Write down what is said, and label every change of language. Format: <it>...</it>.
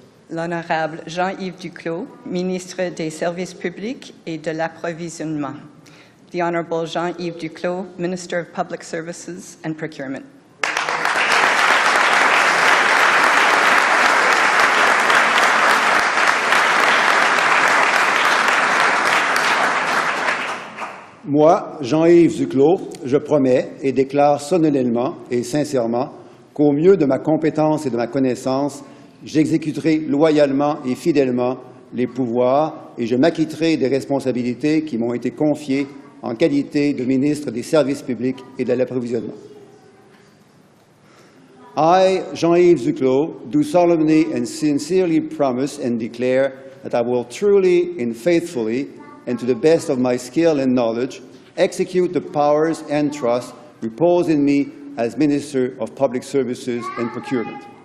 <fr>L'honorable Jean-Yves Duclos, ministre des Services publics et de l'approvisionnement.</fr> <en>The Honorable Jean-Yves Duclos, Minister of Public Services and Procurement.</en> <fr>Moi, Jean-Yves Duclos, je promets et déclare solennellement et sincèrement qu'au mieux de ma compétence et de ma connaissance, j'exécuterai loyalement et fidèlement les pouvoirs et je m'acquitterai des responsabilités qui m'ont été confiées en qualité de ministre des Services publics et de l'approvisionnement.</fr> <en>I, Jean-Yves Duclos, do solemnly and sincerely promise and declare that I will truly and faithfully and to the best of my skill and knowledge execute the powers and trust reposed in me as Minister of Public Services and Procurement.</en>